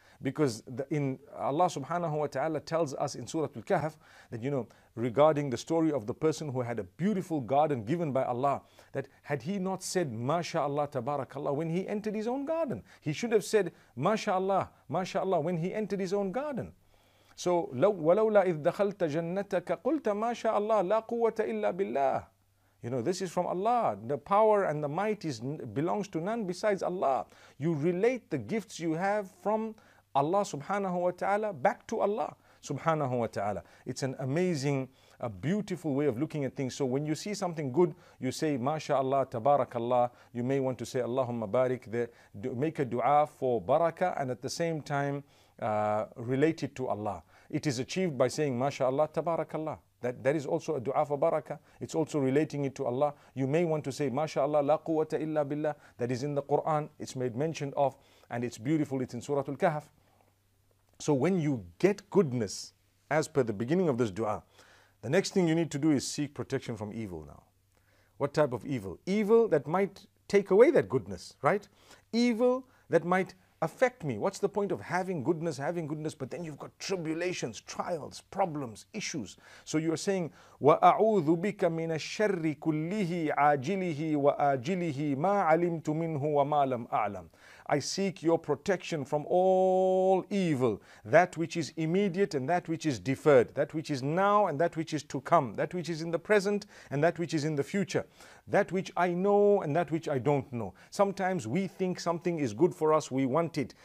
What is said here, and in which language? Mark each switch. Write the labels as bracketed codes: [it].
[en] Because in Allah subhanahu wa ta'ala tells us in Surah Al-Kahf that, you know, regarding the story of the person who had a beautiful garden given by Allah, that had he not said, MashaAllah, Tabarakallah, when he entered his own garden, he should have said, MashaAllah, MashaAllah, when he entered his own garden. So, [ar] وَلَوْلَا إِذْ دَخَلْتَ جَنَّتَكَ قُلْتَ MashaAllah, لَا قُوَّةَ إِلَّا بِاللَّهِ. [en] You know, this is from Allah. The power and the might belongs to none besides Allah. You relate the gifts you have from Allah subhanahu wa ta'ala back to Allah subhanahu wa ta'ala. It's an amazing, a beautiful way of looking at things. So when you see something good, you say, MashaAllah, Tabarakallah. You may want to say, Allahumma barik, make a dua for barakah, and at the same time, relate it to Allah. It is achieved by saying, MashaAllah, Tabarakallah. That is also a dua for barakah. It's also relating it to Allah. You may want to say, MashaAllah, la quwwata illa billah. That is in the Quran. It's made mention of, and it's beautiful. It's in Surah Al-Kahf. So when you get goodness, as per the beginning of this dua, the next thing you need to do is seek protection from evil now. What type of evil? Evil that might take away that goodness, right? Evil that might affect me. What's the point of having goodness, but then you've got tribulations, trials, problems, issues. So you're saying, [ar] وَأَعُوذُ بِكَ مِنَ الشَّرِّ كُلِّهِ عَاجِلِهِ وَآجِلِهِ مَا عَلِمْتُ مِنْهُ وَمَا لَمْ أَعْلَمْ. [en] I seek your protection from all evil, that which is immediate and that which is deferred, that which is now and that which is to come, that which is in the present and that which is in the future, that which I know and that which I don't know. Sometimes we think something is good for us, we want it.